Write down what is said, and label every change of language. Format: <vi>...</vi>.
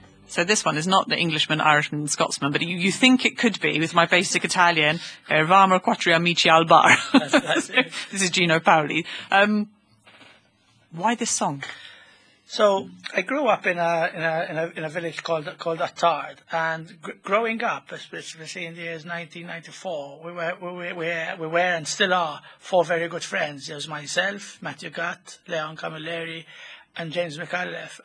<en>So this one is not the Englishman, Irishman, Scotsman, but you think it could be with my basic Italian.</en> <it>Eravamo quattro amici al bar.</it> <en>This is Gino Paoli. Why this song? So I grew up in a village called Attard, and growing up, especially in the years 1994, we were and still are four very good friends. It was myself, Matthew Gutt, Leon Camilleri, and James McAuliffe.</en>